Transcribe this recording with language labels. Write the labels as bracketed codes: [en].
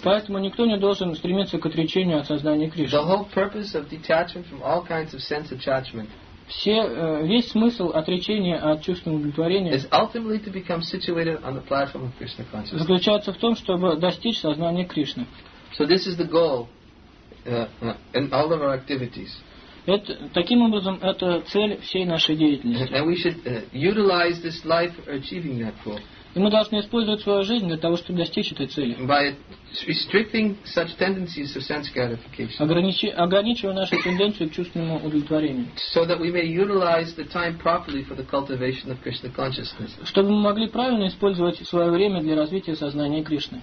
[ru] Поэтому никто не должен стремиться к отречению от сознания Кришны. [en] The whole purpose of detachment from all kinds of sense attachment. [ru] Весь смысл отречения от чувственного удовлетворения [en] is ultimately to become situated on the platform of Krishna consciousness. [ru] Заключается в том, чтобы достичь сознания Кришны. [en] So this is the goal in all of our activities. [ru] Таким образом, это цель всей нашей деятельности. [en] And we should utilize this life for achieving that goal. [ru] И мы должны использовать свою жизнь для того, чтобы достичь этой цели. [en] By restricting such tendencies of sense gratification. [ru] Ограничивая нашу тенденцию к чувственному удовлетворению. [en] So that we may utilize the time properly for the cultivation of Krishna consciousness. [ru] Чтобы мы могли правильно использовать свое время для развития сознания Кришны.